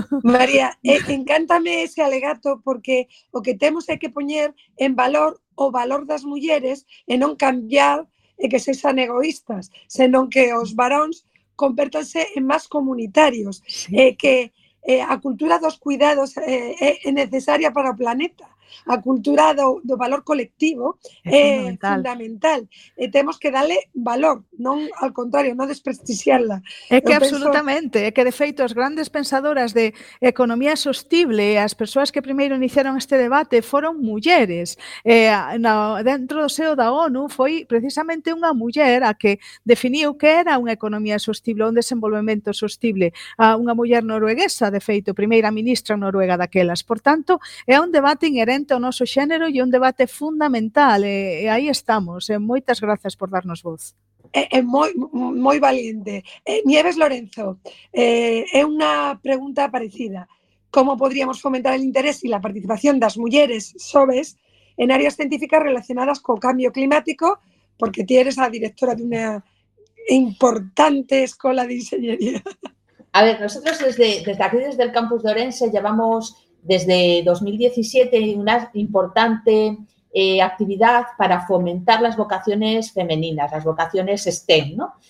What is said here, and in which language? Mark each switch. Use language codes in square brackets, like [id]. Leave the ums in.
[gl] María, eh, encántame ese alegato porque o que temos é que poñer en valor o valor das mulleres e non cambiar e que sexan egoístas, senón que os varóns convertanse en máis comunitarios, e que eh, a cultura dos cuidados eh, é- é necesaria para o planeta. A cultura do, do valor colectivo é, fundamental. E temos que darle valor, non ao contrario, non desprestixiarla. É que Eu penso- absolutamente, é que de feito as grandes pensadoras de economía sostible, as persoas que primeiro iniciaron este debate foron mulleres. Eh, a- na, dentro do seo da ONU foi precisamente unha muller a que definiu que era unha economía sostible, un desenvolvemento sostible, a unha muller norueguesa, de feito, primeira ministra noruega daquelas. Por tanto, é un debate inherente ao noso xénero e un debate fundamental, e, e aí estamos. E moitas grazas por darnos voz. É, é moi, moi valiente. Eh, Nieves Lorenzo, eh, é unha pregunta parecida. [es] Como podríamos fomentar el interés [gl] e a participación das mulleres sobes en áreas científicas relacionadas co cambio climático? Porque ti eres a directora dunha importante escola de ingeniería. [es] A ver, nosotros desde, desde aquí, desde el campus de Orense, llevamos desde 2017 una importante eh, actividad para fomentar las vocaciones femeninas, las vocaciones STEM, ¿no?